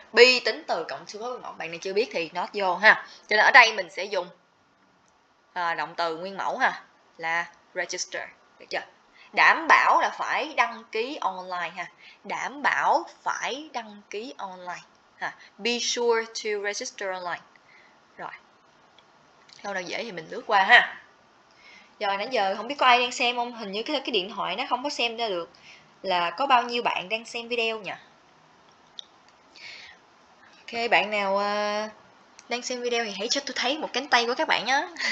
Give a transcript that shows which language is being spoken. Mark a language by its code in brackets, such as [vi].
[vi] Be tính từ cộng to verb nguyên mẫu. Bạn này chưa biết thì not vô ha. Cho nên ở đây mình sẽ dùng động từ nguyên mẫu ha, là register. Được chưa? Đảm bảo là phải đăng ký online ha. Đảm bảo phải đăng ký online ha. [en] Be sure to register online. [vi] Rồi. Câu nào dễ thì mình lướt qua ha. Rồi nãy giờ không biết có ai đang xem không? Hình như cái điện thoại nó không có xem ra được là có bao nhiêu bạn đang xem video nhỉ? Ok, bạn nào đang xem video thì hãy cho tôi thấy một cánh tay của các bạn nhé.